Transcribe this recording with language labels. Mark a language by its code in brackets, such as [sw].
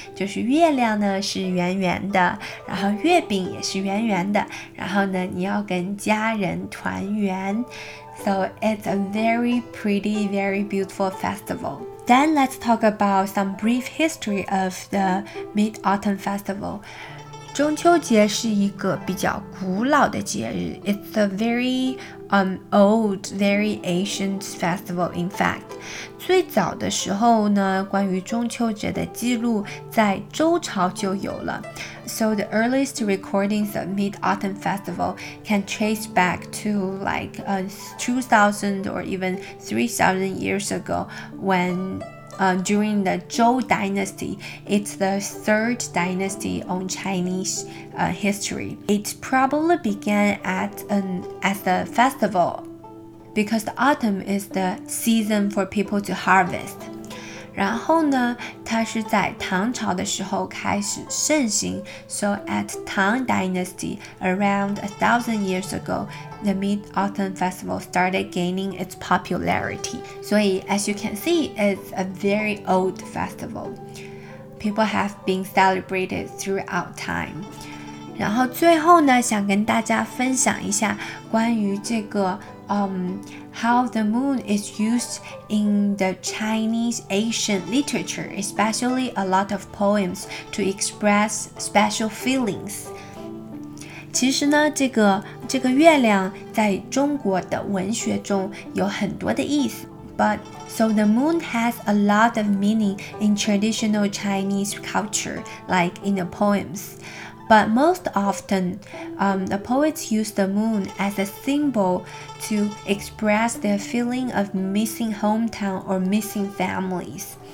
[zh] 就是月亮呢是圆圆的，然后月饼也是圆圆的，然后呢你要跟家人团圆。 [en] So it's a very pretty, very beautiful festival. Then let's talk about some brief history of the Mid-Autumn Festival. [zh] 中秋节是一个比较古老的节日。 [en] It's a very old, very ancient festival, in fact. [zh] 最早的时候呢，关于中秋节的记录在周朝就有了。 [en] So the earliest recordings of Mid-Autumn Festival can trace back to like 2,000 or even 3,000 years ago when... during the Zhou Dynasty, it's the third dynasty on Chinese history. It probably began as a festival because the autumn is the season for people to harvest. [zh] 然后呢，它是在唐朝的时候开始盛行。 [en] So at Tang Dynasty, around 1,000 years ago,The Mid-Autumn Festival started gaining its popularity. So as you can see, it's a very old festival. People have been celebrated throughout time. [zh] 然后最后呢，想跟大家分享一下关于这个 [en] how the moon is used in the Chinese ancient literature, especially a lot of poems to express special feelings. [zh] 其实呢，这个月亮在中国的文学中有很多的意思。 [en] But so the moon has a lot of meaning in traditional Chinese culture, like in the poems. But most often, the poets use the moon as a symbol to express their feeling of missing hometown or missing families.